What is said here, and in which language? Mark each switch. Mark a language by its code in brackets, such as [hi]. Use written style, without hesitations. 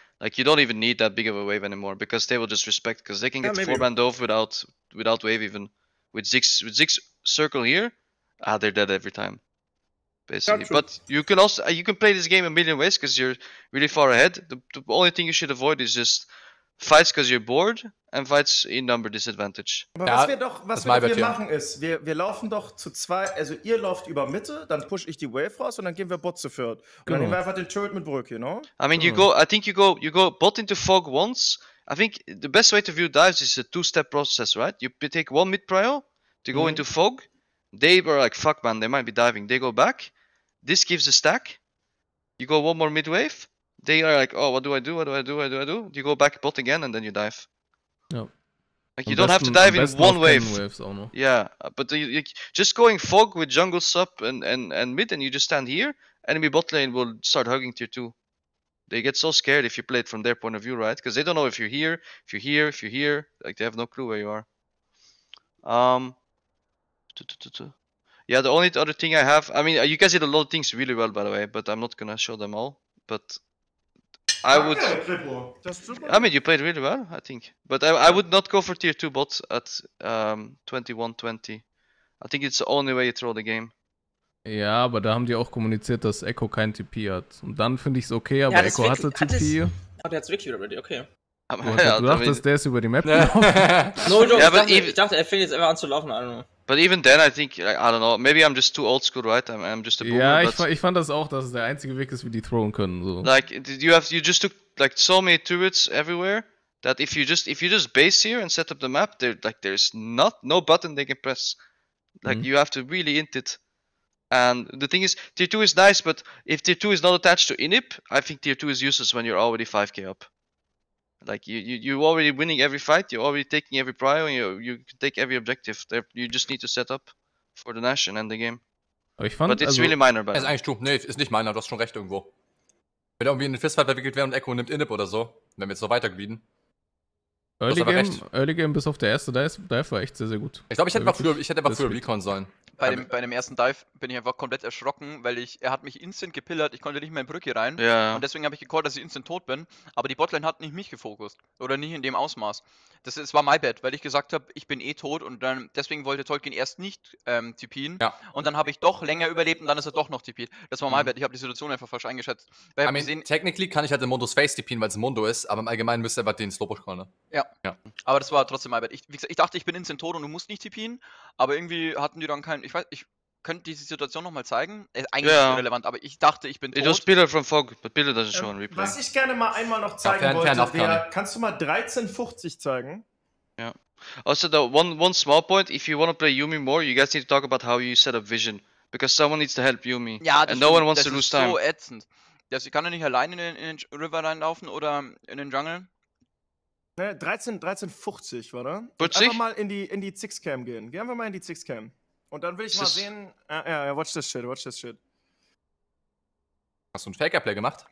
[en] Like, you don't even need that big of a wave anymore, because they will just respect, because they can get 4-band off without wave even. With Sieg's circle here, they're dead every time. Basically, yeah, but you can also, you can play this game a million ways, because you're really far ahead. The only thing you should avoid is just fights, because you're bored. And fights in number disadvantage. [de] Aber ja, was wir machen ist, wir laufen doch zu zweit, also ihr lauft über Mitte, dann push ich die Wave raus und dann gehen wir Bot zu viert. Und dann nehmen wir einfach den Turret mit Brücke, [en] you know? I mean, you go Bot into Fog once. I think the best way to view dives is a two-step process, right? You take one mid-prio to go into Fog. They were like, fuck man, they might be diving. They go back. This gives a stack. You go one more mid-wave. They are like, oh, what do I do? You go back Bot again and then you dive. [de] Ja. [en] Like you don't have to dive in one wave. Yeah, but you just going fog with jungle sub and mid and you just stand here, enemy bot lane will start hugging tier 2. They get so scared if you play it from their point of view, right? Because they don't know if you're here, if you're here, if you're here. Like they have no clue where you are. Yeah, the only other thing I have, I mean, you guys did a lot of things really well, by the way, but I'm not gonna show them all. But I would. I mean, you played really well, I think. But I would not go for tier 2 bots at 21-20. I think it's the only way you throw the game. [de] Ja, aber da haben die auch kommuniziert, dass Echo kein TP hat. Und dann finde ich es okay, aber ja, Echo hatte TP. Aber der hat es wirklich wieder ready, okay. Du dachtest, der ist über die Map gelaufen. Ich dachte, er fängt jetzt einfach an zu laufen, [en] I don't know. But even then, I think, like, I don't know, maybe I'm just too old school, right? I'm just a boomer. [de] Ja, ich fand das auch, dass es der einzige Weg ist, wie die throwen können, so. [en] Like, you just took, like, so many turrets everywhere, that if you just base here and set up the map, there's no button they can press. Like, you have to really int it. And the thing is, tier 2 is nice, but if tier 2 is not attached to inip, I think tier 2 is useless when you're already 5k up. Like you're already winning every fight, you're already taking every prio, and you can take every objective. You just need to set up for the Nash and end the game. [de] Aber ich fand, [en] but it's also, really minor, by the way. [de] Ist eigentlich [en] true. [de] Nee, ist nicht minor, du hast schon recht irgendwo. Wenn da irgendwie ein Fistfight verwickelt wäre und Echo nimmt Inip oder so, wären wir jetzt noch weitergebieden. Early Game bis auf der erste, da war echt sehr, sehr gut. Ich glaube, ich hätte einfach früher Recon sollen. Bei dem ersten Dive bin ich einfach komplett erschrocken, weil er hat mich instant gepillert, ich konnte nicht mehr in Brücke rein. Ja. Und deswegen habe ich gecallt, dass ich instant tot bin. Aber die Botlane hat nicht mich gefokust. Oder nicht in dem Ausmaß. Das war my bad, weil ich gesagt habe, ich bin eh tot und dann deswegen wollte Tolkien erst nicht TP'en. Ja. Und dann habe ich doch länger überlebt und dann ist er doch noch TP'd. Das war my bad. Ich habe die Situation einfach falsch eingeschätzt. Weil ich gesehen, technically kann ich halt den Mondo's Face TP'en, weil es ein Mondo ist, aber im Allgemeinen müsste er einfach den Slowpoke callen. Ja. Ja. Aber das war trotzdem my bad. Ich dachte, ich bin instant tot und du musst nicht TP'en, aber irgendwie hatten die dann keinen. Ich weiß, ich könnte diese Situation nochmal zeigen. Eigentlich ist irrelevant, aber ich dachte, ich bin tot. Du hast Bilder von Fog, Bilder, das ist schon ein Replay. Was ich gerne mal einmal noch zeigen kannst du mal 1350 zeigen? Ja. [en] Also, the one small point, if you want to play Yuumi more, you guys need to talk about how you set up Vision. Because someone needs to help Yuumi. Ja, and no one wants to lose time. [de] Das ist so ätzend. Das, ich kann ja nicht allein in den River reinlaufen oder in den Jungle. Ne, 1350, oder? 40? Einfach mal in die Six-Cam gehen. Gehen wir mal in die Six-Cam. Und dann will ich mal sehen. Ja, [en] watch this shit. [de] Hast du ein Faker-Play gemacht?